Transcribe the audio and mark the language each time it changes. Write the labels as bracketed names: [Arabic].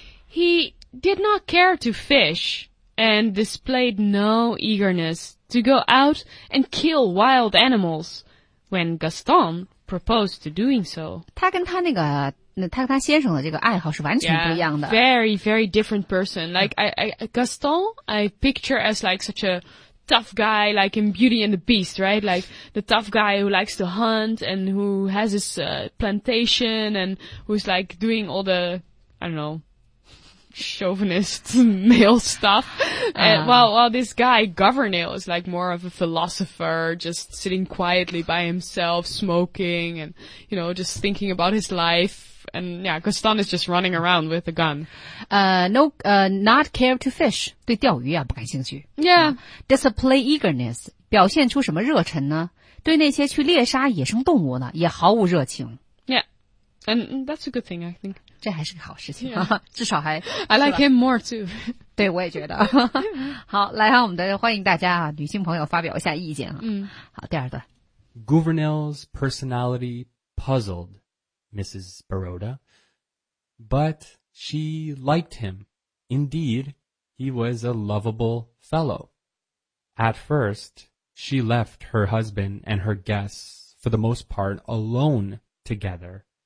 [English] He did not care to fish and displayed no eagerness to go out and kill wild animals when Gaston proposed to doing so. [Chinese] 他跟他那个，他跟他先生的这个爱好是完全不一样的。 [English] Yeah, very, very different person. Like Gaston, I picture as like such a. Tough guy, like in Beauty and the Beast, right? Like the tough guy who likes to hunt and who has his、plantation and who's like doing all the, I don't know, chauvinist male stuff. And while this guy, Gouvernail, is like more of a philosopher, just sitting quietly by himself, smoking and, you know, just thinking about his life. And yeah, Gaston is just running around with a gun. Not care to fish. [Chinese] 对钓鱼啊不感兴趣。 [English] Yeah. Display eagerness. [Chinese] 表现出什么热忱呢对那些去猎杀野生动物呢也毫无热情。 [English] Yeah. And that's a good thing, I think. [Chinese] 这还是个好事情。 [English] Yeah. [Chinese] 至少还。 [English] I like him more too. [Chinese] 对我也觉得。好来让我们的欢迎大家啊女性朋友发表一下意见啊。嗯、好第二段。 [English] Gouvernail's personality puzzled. Mrs. Baroda, but she liked him. Indeed, he was a lovable fellow. At first, she left her husband and her guests, for the most part, alone together.